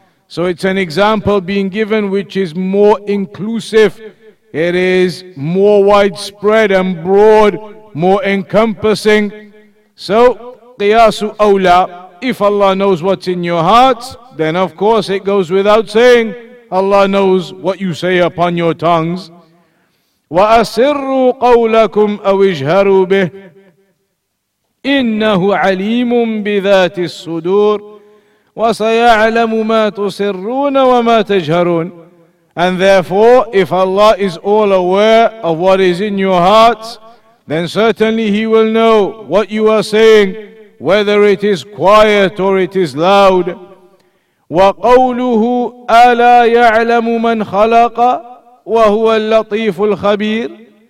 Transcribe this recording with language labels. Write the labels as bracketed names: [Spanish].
[English] So it's an example being given which is more inclusive, it is more widespread and broad, more encompassing. So, qiyasu awla, if Allah knows what's in your hearts, then of course it goes without saying, Allah knows what you say upon your tongues. [Arabic] وأسروا قولكم أو اجهروا به إنه عليم بذات الصدور وسيعلم ما تسرون وما تجهرون. [English] And therefore, if Allah is all aware of what is in your hearts, then certainly He will know what you are saying, whether it is quiet or it is loud. [Arabic] وَقَوْلُهُ أَلَا يَعْلَمُ مَنْ خَلَقَ وَهُوَ اللَّطِيفُ الْخَبِيرُ.